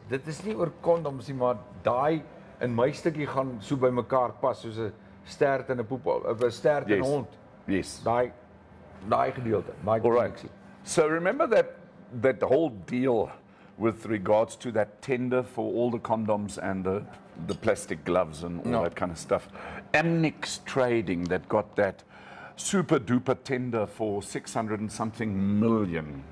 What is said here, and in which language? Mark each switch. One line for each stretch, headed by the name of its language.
Afrikaans: Dit is nie oor condoms nie, maar daai in my stukkie gaan so by mekaar pas, soos 'n stert en 'n poep, of 'n stert en 'n hond.
English: Yes.
Afrikaans: Daai gedeelte, daai connectie.
English: Right. So remember that whole deal with regards to that tender for all the condoms and the plastic gloves and all that kind of stuff. Amnix Trading that got that super duper tender for 600 and something million.